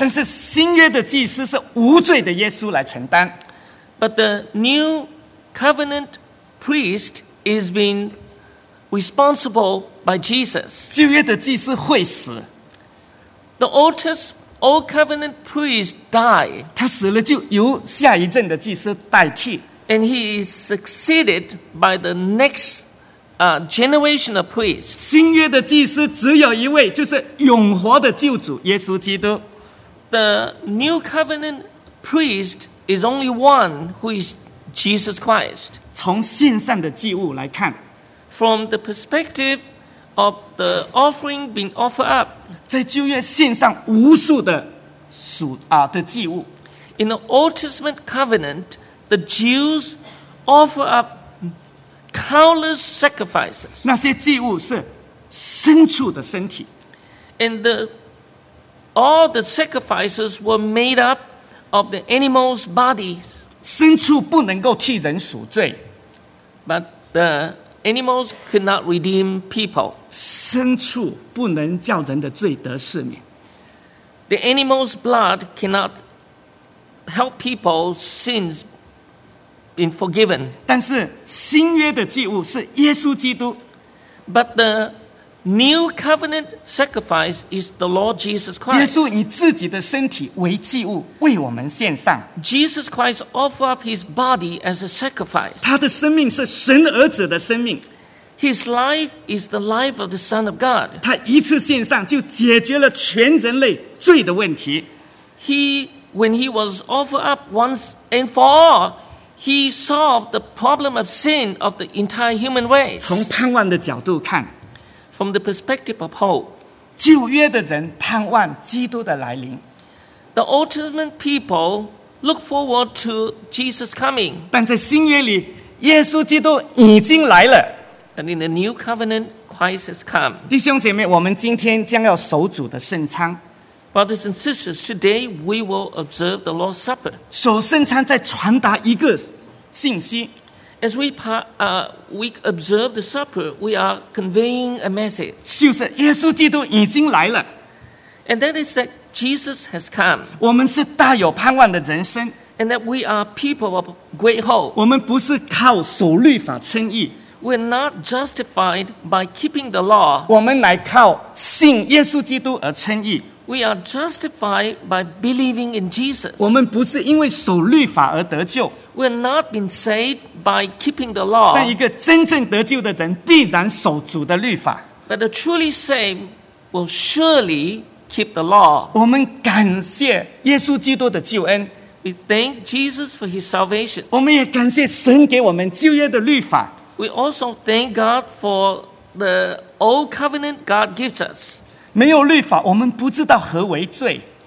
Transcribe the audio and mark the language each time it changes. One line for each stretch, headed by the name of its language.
Chinese: 但是新约的祭司是无罪的耶稣来承担。
English: But the new covenant priest is being responsible by Jesus.
Chinese: 旧约的祭司会死。
English: The old covenant priest died.
Chinese: 他死了就由下一任的祭司代替。
English: And he is succeeded by the next generation of priests.
Chinese: 新约的祭司只有一位，就是永活的救主耶稣基督。
English: The new covenant priest is only one, who is Jesus Christ.
Chinese: 从献上的祭物来看，
English: from the perspective of the offering being offered up,
Chinese: 在旧约献上无数的祭物。
English: In the Old Testament covenant, the Jews offer up countless sacrifices.
Chinese: 那些祭物是牲畜的身体。
English: And all the sacrifices were made up of the animals' bodies.
Chinese: 牲畜不能够替人赎罪。
English: But the animals could not redeem people.
Chinese: 牲畜不能叫人的罪得赦免。
English: The animals' blood cannot help people's sins been forgiven.
Chinese: 但是新约的祭物是耶稣基督。
English: But the new covenant sacrifice is the Lord Jesus Christ.
Chinese: 耶稣以自己的身体为祭物为我们献上。
English: Jesus Christ offered up his body as a sacrifice.
Chinese: 他的生命是神儿子的生命。
English: His life is the life of the Son of God.
Chinese: 他一次献上就解决了全人类罪的问题。
English: When he was offered up once and for all,He solved the problem of sin of the entire human race.
Chinese: 从盼望的角度看，
English: from the perspective of hope,
Chinese: 旧约的人盼望基督的来临。
English: The Old Testament people look forward to Jesus coming.
Chinese: 但在新约里，耶稣基督已经来了。
English: And in the new covenant, Christ has come.
Chinese: 弟兄姐妹，我们今天将要守主的圣餐。
English: Brothers and sisters, today we will observe the Lord's Supper.
Chinese: 守圣餐在传达一个信息。
English: As we observe the supper, we are conveying a message.
Chinese: 就是耶稣基督已经来了。
English: And that is that Jesus has come.
Chinese: 我们是大有盼望的人生。
English: And that we are people of great hope.
Chinese: 我们不是靠守律法称义。
English: We're not justified by keeping the law.
Chinese: 我们乃靠信耶稣基督而称义。
English: We are justified by believing in Jesus.
Chinese: 我们不是因为守律法而得救。
English: We have not been saved by keeping the law.
Chinese: 但一个真正得救的人必然守主的律法。
English: But the truly saved will surely keep the law.
Chinese: 我们感谢耶稣基督的救恩。
English: We thank Jesus for his salvation.
Chinese: 我们也感谢神给我们旧约的律法。
English: We also thank God for the old covenant God gives us.
Chinese: 没有律法，我们不知道何为罪。